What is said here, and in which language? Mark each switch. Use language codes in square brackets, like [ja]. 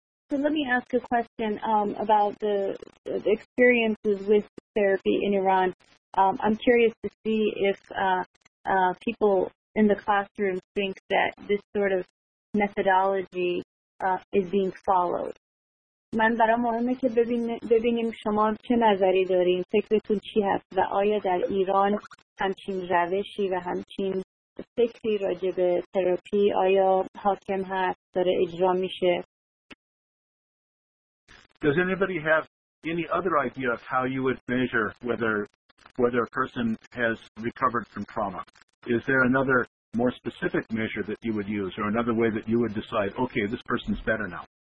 [en] So let me ask a question about the experiences with therapy in Iran. I'm curious to see if people in the classroom think that this sort of methodology is being followed. [fa] من برای مهمه که ببینیم شما چه نظری دارین، فکرتون چی هست و آیا در ایران همچین روشی و همچین فکری راجع به تراپی آیا حاکم هست، داره اجرا میشه؟ [en] Does anybody have any other idea of how you would measure whether a person has recovered from trauma? Is there another more specific measure that you would use or another way that you would decide, okay, this person's better now?